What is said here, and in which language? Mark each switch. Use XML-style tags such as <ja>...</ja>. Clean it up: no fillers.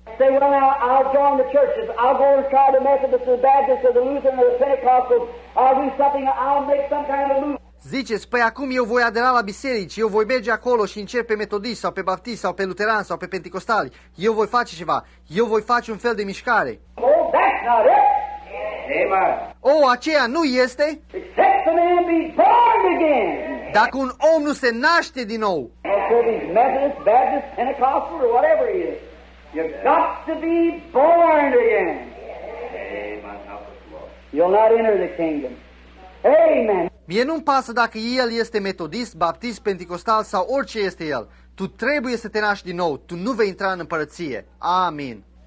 <en>say, well, now, I'll join the churches. I'll go and try the Methodists, or the Baptists, or the Lutherans, or the Pentecostals. I'll do something. I'll make some kind of move.</en> <ro>Ziceți, păi acum eu voi adera la biserici, eu voi merge acolo și încerc pe metodist sau pe baptist sau pe luteran sau pe penticostali. Eu voi face ceva. Eu voi face un fel de mișcare.</ro> <en>Oh, that's not it. Amen.</en> <ro>Oh, aceea nu este?</ro> <en>Except the man be born again.</en> <ro>Dacă un om nu se naște din nou.</ro> <en>Whether he's Methodist, Baptist, Pentecostal, or whatever he is. You've got to be born again. Amen. You'll not enter the kingdom. Amen.</en> <ro>Mie nu-mi pasă dacă el este metodist, baptist, penticostal sau orice este el. Tu trebuie să te naști din nou. Tu nu vei intra în împărăție. Amin.</ro>